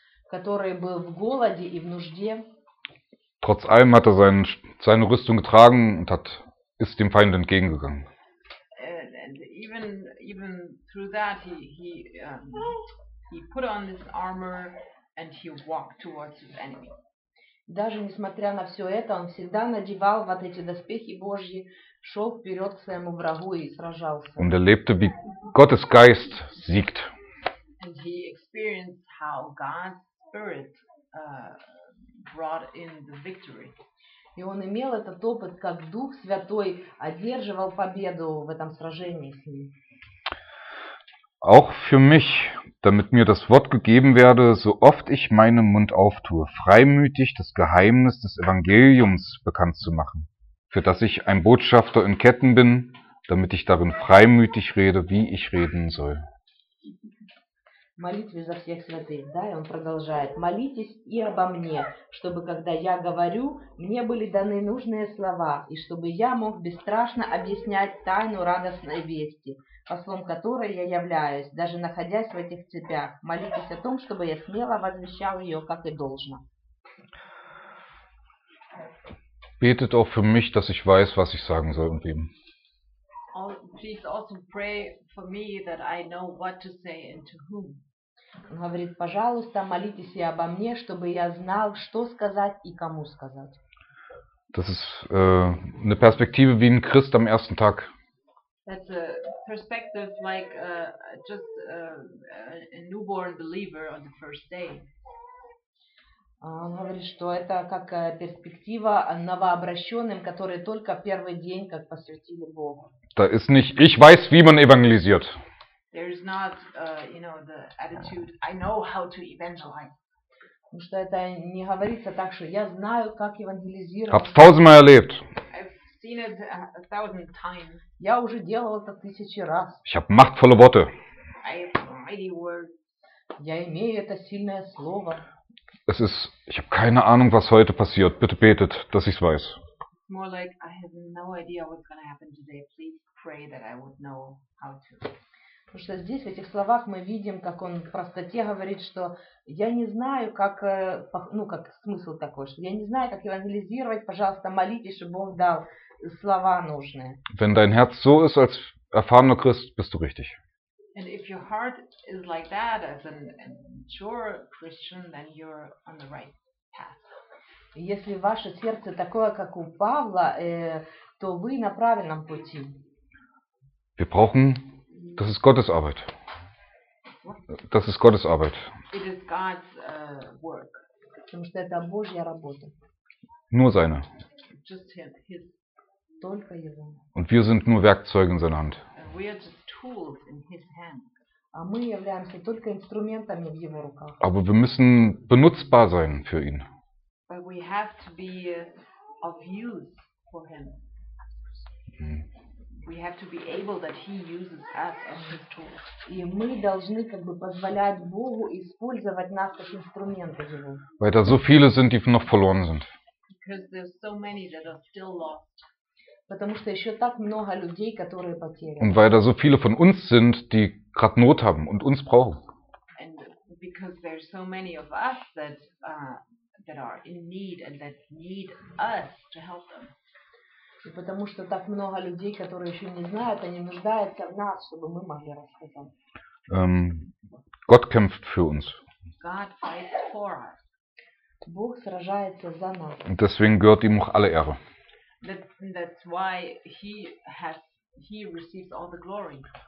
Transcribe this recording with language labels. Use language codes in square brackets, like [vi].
[ru] который был в голоде и в нужде. [de] Trotz allem hat er seine Rüstung getragen und ist dem Feind entgegengegangen. [en] And even through that he put on his armor and he walked towards his enemy. [ru] Даже несмотря на все это, он всегда надевал вот эти доспехи Божьи, шел вперед к своему врагу и сражался. [de] Und lebte, wie Gottes Geist siegt. [en] And he experienced how God's Spirit brought in the victory. [ru] И он имел этот опыт, как Дух Святой одерживал победу в этом сражении с ним. [de] Auch für mich, damit mir das Wort gegeben werde, so oft ich meinen Mund auftue, freimütig das Geheimnis des Evangeliums bekannt zu machen, für das ich ein Botschafter in Ketten bin, damit ich darin freimütig rede, wie ich reden soll. [ru] Молитве за всех святых, да, и он продолжает. Молитесь и обо мне, чтобы, когда я говорю, мне были даны нужные слова, и чтобы я мог бесстрашно объяснять тайну радостной вести, послом которой я являюсь, даже находясь в этих цепях. Молитесь о том, чтобы я смело возвещал ее, как и должно. [de] Betet auch für mich, dass ich weiß, was ich sagen soll und wem. [en] Please also pray for me that I know what to say and to whom. [ru] Он говорит, пожалуйста, молитесь и обо мне, чтобы я знал, что сказать и кому сказать. [de] Das ist eine Perspektive wie ein Christ am ersten Tag. [en] That's a perspective like just a newborn believer on the first day. [ru] Он говорит, что это как перспектива новообращенным, которые только первый день как посвятили Богу. [de] Da ist nicht, ich weiß, wie man evangelisiert. [en] There is not, you know, the attitude, I know how to evangelize. [ru] Потому что это не говорится так, что я знаю, как евангелизировать. [de] Hab's tausendmal erlebt. [en] I've seen it a thousand times. [ru] Я уже делал это тысячи раз. [de] Ich habe machtvolle Worte. [en] I have mighty words. [ru] Я имею это сильное слово. [de] Es ist, ich habe keine Ahnung, was heute passiert. Bitte betet, dass ich es weiß. [en] More like, I have no idea what's going to happen today. Please pray that I would know how to. [ru] Потому что здесь, в этих словах, мы видим, как он в простоте говорит, что я не знаю, как, ну, как смысл такой, что я не знаю, как евангелизировать, пожалуйста, молитесь, чтобы Бог дал слова нужные. [de] Wenn dein Herz so ist, als erfahrener Christ, bist du richtig. [en] And if your heart is like that, as an mature Christian, then you're on the right path. [ru] Если ваше сердце такое, как у Павла, то вы на правильном пути. [de] Wir brauchen, das ist Gottes Arbeit. Das ist Gottes Arbeit. [en] It is God's work. [ru] Потому что это Божья работа. [de] Nur seine. [en] Just him, his. [ru] Только его. [de] Und wir sind nur Werkzeuge in seiner Hand. [en] We are just tools in his hand. [ru] А мы являемся только инструментами в его руках. [de] Aber wir müssen benutzbar sein für ihn. [en] But we have to be of use for him. We have to be able that he uses us as his tool. [ru] И мы должны как бы позволять Богу использовать нас как инструменты его. [de] Weil da so viele sind, die noch verloren sind. [en] Because there's so many that are still lost. [ru] Потому что еще так много людей, которые потеряны. [de] Und weil da so viele von uns sind, die gerade Not haben und uns brauchen. [en] And because there's so many of us that that are in need and that need us to help them. [ru] И потому что так много людей, которые еще не знают, они нуждаются в нас, чтобы мы могли рассказать. [de] Gott kämpft für uns. [en] God fights for us. [ru] Бог сражается за нас. [de] Und deswegen gehört ihm auch alle Ehre. [en] That's why he receives all the glory.